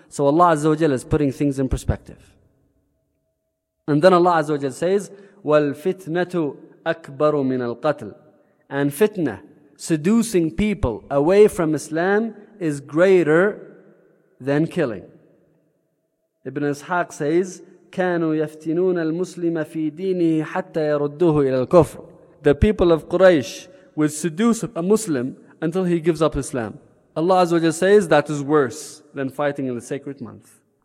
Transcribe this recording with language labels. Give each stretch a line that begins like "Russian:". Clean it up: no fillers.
English: So Allah Azza wa Jalla is putting things in perspective. And then Allah Azza wa Jalla says,
Arabic: وَالْفِتْنَةُ أَكْبَرُ مِنَ الْقَتْلِ.
English: And fitna, seducing people away from Islam, is greater than killing. Ibn Ishaq says,
Arabic: كَانُوا يَفْتِنُونَ الْمُسْلِمَ فِي دِينِهِ حَتَّى يَرُدُّهُ إِلَى الْكُفْرُ.
English: The people of Quraysh will seduce a Muslim until he gives up Islam. Allah Azza wa Jalla says that is worse than fighting in the sacred month.